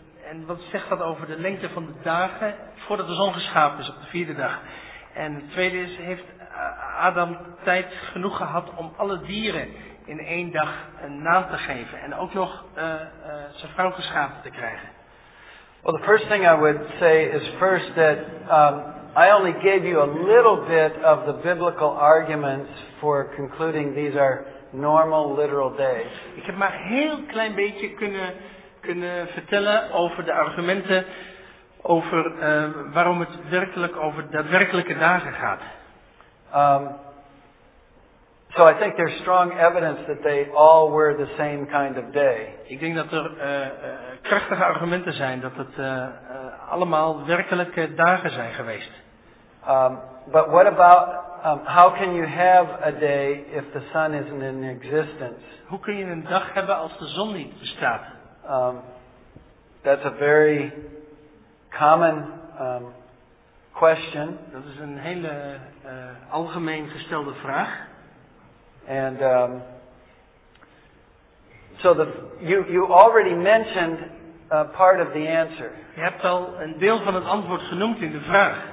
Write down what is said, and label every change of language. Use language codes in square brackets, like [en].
[nl] En wat zegt dat over de lengte van de dagen voordat de zon geschapen is op de vierde dag? En het tweede is, heeft Adam tijd genoeg gehad om alle dieren in één dag een naam te geven en ook nog zijn vrouw geschapen te krijgen? [en] Well, the first thing I would say is first that I only gave you a little bit of the biblical arguments for concluding these are normal literal days. [nl] Ik heb maar heel klein beetje kunnen vertellen over de argumenten over waarom het werkelijk over daadwerkelijke dagen gaat. [en] So I think there's strong evidence that they all were the same kind of day. [nl] Ik denk dat er krachtige argumenten zijn dat het allemaal werkelijke dagen zijn geweest. [en] But what about how can you have a day if the sun isn't in existence? [nl] Hoe kun je een dag hebben als de zon niet bestaat? [en] That's a very common question. [nl] Dat is een hele algemeen gestelde vraag. [en] And so you already mentioned part of the answer. [nl] Je hebt al een deel van het antwoord genoemd in de vraag.